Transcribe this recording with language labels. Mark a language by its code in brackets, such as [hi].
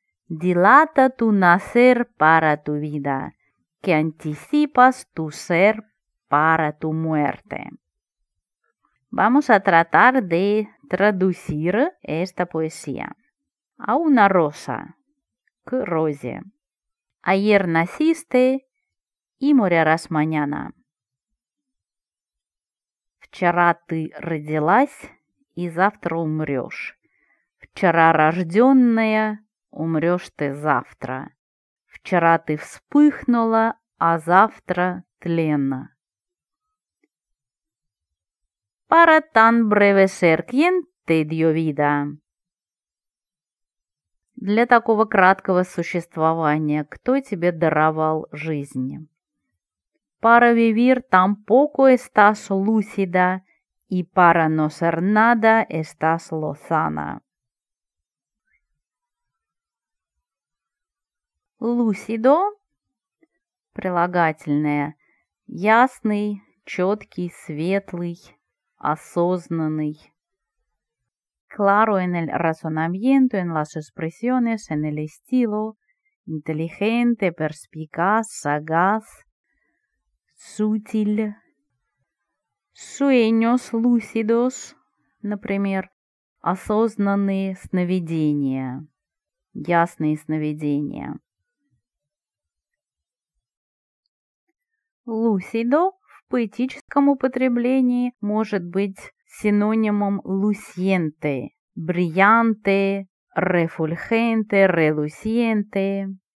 [es] Dilata tu nacer para tu vida, que anticipas tu ser para tu muerte. Vamos a tratar de traducir esta poesía. A una rosa, [ru] к розе. [es] Ayer naciste y morirás mañana. [ru] Вчера ты родилась и завтра умрёшь. Вчера рождённая, умрёшь ты завтра. Вчера ты вспыхнула, а завтра тленна. [es] Para tan breve ser, ¿quién te dio vida? [ru] Для такого краткого существования, кто тебе даровал жизнь? [es] Para vivir tan poco estás lúcida, y para no ser nada estás lozana. [ru] Лусидо, прилагательное, ясный, четкий, светлый, осознанный. [es] Claro en el razonamiento, en las expresiones, en el estilo, inteligente, perspicaz, sagaz, sutil. Sueños lúcidos, [ru] например, осознанные сновидения, ясные сновидения. Лусидо в поэтическом употреблении может быть синонимом лусиенте, бриллианте, рефульгенте, релусиенте.